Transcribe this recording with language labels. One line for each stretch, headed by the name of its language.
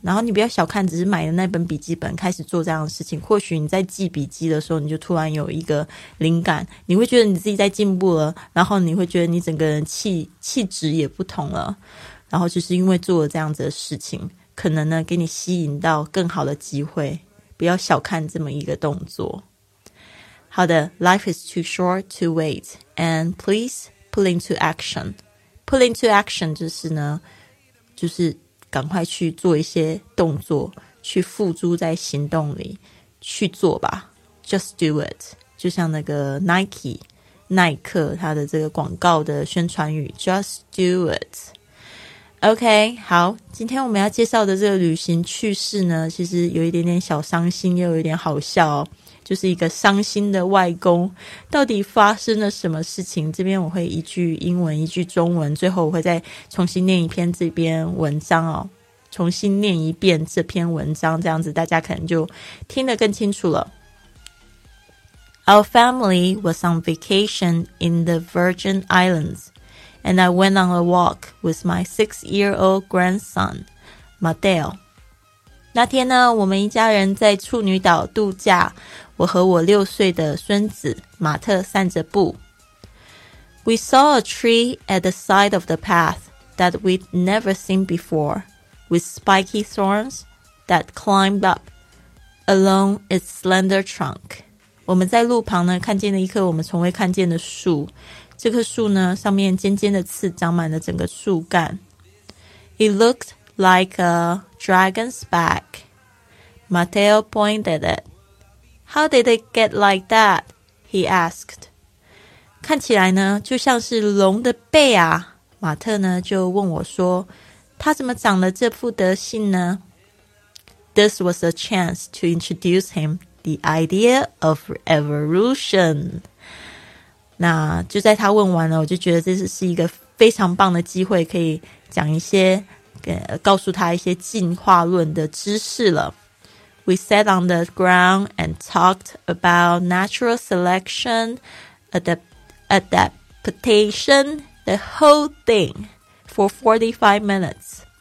Chinese: 然后你不要小看只是买的那本笔记本开始做这样的事情，或许你在记笔记的时候你就突然有一个灵感，你会觉得你自己在进步了，然后你会觉得你整个人气质也不同了，然后就是因为做了这样子的事情，可能呢给你吸引到更好的机会。不要小看这么一个动作。
English: 好的， Life is too short to wait and please pull into action. Pull into action
Chinese: 就是呢就是赶快去做一些动作，去付诸在行动里去做吧。
English: Just do it，
Chinese: 就像那个 Nike 耐克它的这个广告的宣传语 Just do it。 OK， 好，今天我们要介绍的这个旅行趣事呢其实有一点点小伤心又有一点好笑哦，就是一个伤心的外公，到底发生了什么事情？这边我会一句英文，一句中文，最后我会再重新念一篇这篇文章哦，重新念一遍这篇文章，这样子大家可能就听得更清楚了。
English: Our family was on vacation in the Virgin Islands. and I went on a walk with my 6-year-old grandson, Mateo.
Chinese: 那天呢，我们一家人在处女岛度假，我和我6岁的孙子马特散着步。
English: We saw a tree at the side of the path that we'd never seen before, with spiky thorns that climbed up along its slender trunk.
Chinese: 我们在路旁呢，看见了一棵我们从未看见的树。这棵树呢，上面尖尖的刺长满了整个树干。
English: It looked like a dragon's back. Mateo pointed it. How did it get like that? He asked.
Chinese: 看起来呢就像是龙的背啊，马特呢就问我说，他怎么长了这副德性呢？
English: This was a chance to introduce him the idea of evolution.
Chinese: 那就在他问完了，我就觉得这是一个非常棒的机会，可以讲一些告诉他一些进化论的知识了。
English: We sat on the ground and talked about natural selection adaptation, the whole thing, for 45 minutes.